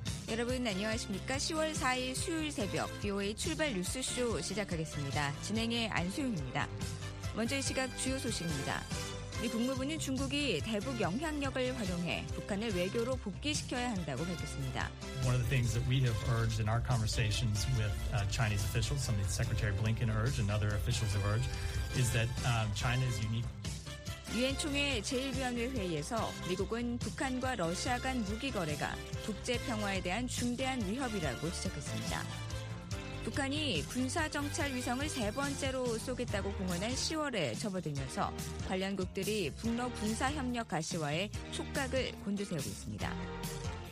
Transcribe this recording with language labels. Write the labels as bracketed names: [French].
[Korean] 여러분 안녕하십니까? 10월 4일 수요일 새벽 VOA 출발 뉴스쇼 시작하겠습니다. 진행의 안수용입니다. 먼저 이 시각 주요 소식입니다. 미 국무부는 중국이 대북 영향력을 활용해 북한을 외교로 복귀시켜야 한다고 밝혔습니다. [English] One of the things that we have urged in our conversations with Chinese officials, something Secretary Blinken urged and other officials have urged, is that China is unique. [Korean] 유엔 총회 제1위원회 회의에서 미국은 북한과 러시아 간 무기 거래가 국제 평화에 대한 중대한 위협이라고 지적했습니다. 북한이 군사 정찰 위성을 세 번째로 쏘겠다고 공언한 10월에 접어들면서 관련국들이 북러 군사 협력 가시화에 촉각을 곤두세우고 있습니다.